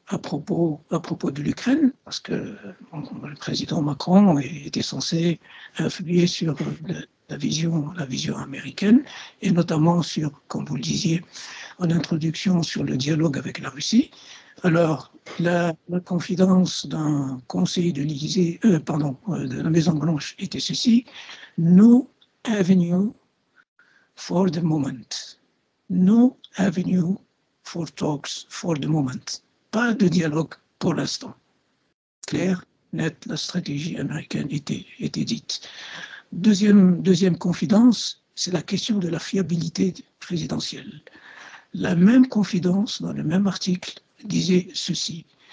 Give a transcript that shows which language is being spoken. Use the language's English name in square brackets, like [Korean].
[French] à propos de l'Ukraine, parce que le président Macron était censé appuyer sur la vision américaine, et notamment sur, comme vous le disiez en introduction, sur le dialogue avec la Russie. Alors, la confidence d'un conseiller de l'Élysée, de la Maison-Blanche était ceci: [English] no avenue for the moment. No avenue for talks for the moment. [French] Pas de dialogue pour l'instant. Claire, net, la stratégie américaine était dite. Deuxième confidence, c'est la question de la fiabilité présidentielle. La même confidence, dans le même article, disait ceci.